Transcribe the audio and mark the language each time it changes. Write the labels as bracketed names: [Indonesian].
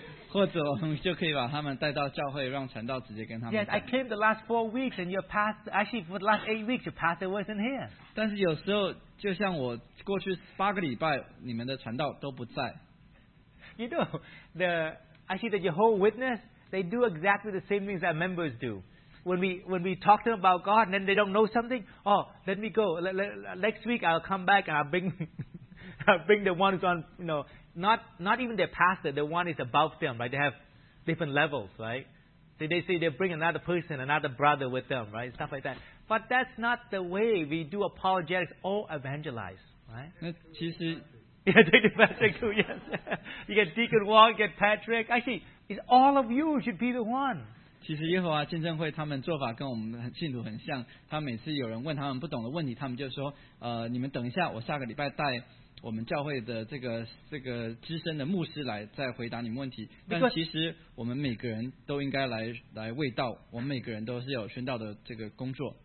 [Chinese] 或者我们就可以把他们带到教会，让传道直接跟他们。 [English] Yes, I came the last 4 weeks, and your pastor actually for the last 8 weeks, your pastor wasn't here. [Chinese] 但是有时候就像我过去8个礼拜，你们的传道都不在。 [English] You know, actually the Jehovah's Witness, they do exactly the same things that members do. When we talk to them about God and then they don't know something, oh, let me go. Next week I'll come back and I'll bring the ones on, you know, not even their pastor, the one is above them, right? They have different levels, right? So they say they bring another person, another brother with them, right? Stuff like that. But that's not the way we do apologetics or evangelize, right? Yeah, take the Patrick too, yes. You get Deacon Wong, get Patrick. Actually, it's all of you should be the one. [Chinese] 其实耶和华见证会他们做法跟我们信徒很像，他每次有人问他们不懂的问题，他们就说，你们等一下，我下个礼拜带我们教会的这个资深的牧师来再回答你们问题。但其实我们每个人都应该来卫道，我们每个人都是有宣道的这个工作。